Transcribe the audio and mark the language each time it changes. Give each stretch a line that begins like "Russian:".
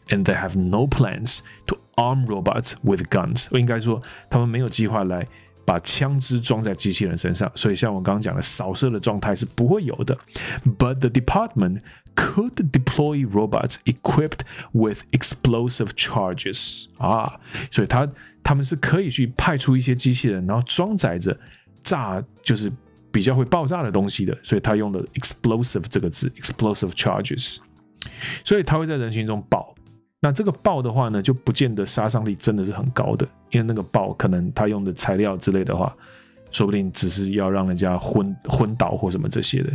English: And they have no plans to arm robots with guns。
Chinese: 应该说，他们没有计划来把枪支装在机器人身上。所以，像我刚刚讲的，扫射的状态是不会有的。
English: But the department could deploy robots equipped with explosive charges。
Chinese: 啊，所以他们是可以去派出一些机器人，然后装载着炸，就是比较会爆炸的东西的。所以他用了 explosive 这个字 ，
English: explosive charges。
Chinese: 所以他会在人群中爆，那这个爆的话呢，就不见得杀伤力真的是很高的，因为那个爆可能他用的材料之类的话，说不定只是要让人家昏倒或什么这些的。